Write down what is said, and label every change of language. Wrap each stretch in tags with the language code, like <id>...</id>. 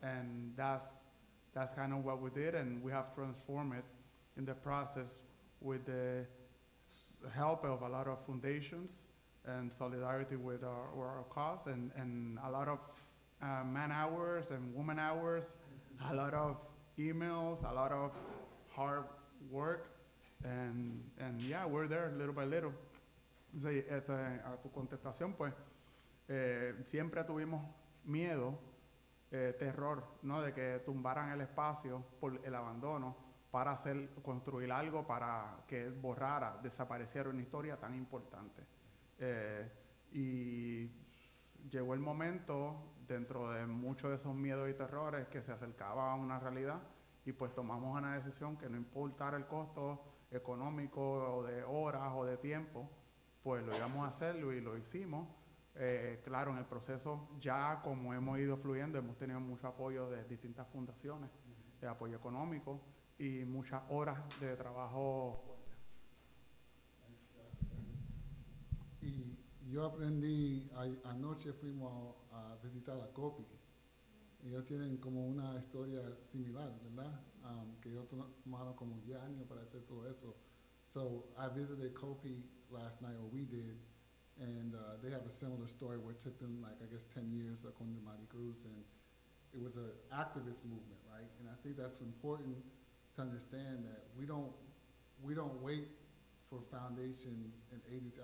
<en>And that's kind of what we did, and we have transformed it in the process with the help of a lot of foundations and solidarity with our cause, and a lot of man hours and woman hours, a lot of emails, a lot of hard work, and yeah, we're there little by little.</en> <es>Sí, esa, a tu contestación, pues, siempre tuvimos miedo, terror, ¿no?, de que tumbaran el espacio por el abandono para hacer, construir algo para que borrara, desapareciera una historia tan importante. Y llegó el momento, dentro de muchos de esos miedos y terrores, que se acercaba a una realidad, y pues tomamos una decisión que no importara el costo económico o de horas o de tiempo, pues lo íbamos a hacer y lo hicimos. Claro, en el proceso, ya como hemos ido fluyendo, hemos tenido mucho apoyo de distintas fundaciones, de apoyo económico y muchas horas de trabajo. Y yo aprendí, anoche fuimos a visitar a COPI. Ellos tienen como una historia similar, ¿verdad? Que ellos tomaron como 10 años para hacer todo eso.</es> <en>So I visited COPI last night, or we did, and they have a similar story where it took them, like, I guess 10 years, according to Mari Cruz, and it was an activist movement, right? And I think that's important to understand that we don't wait for foundations and agencies.</en>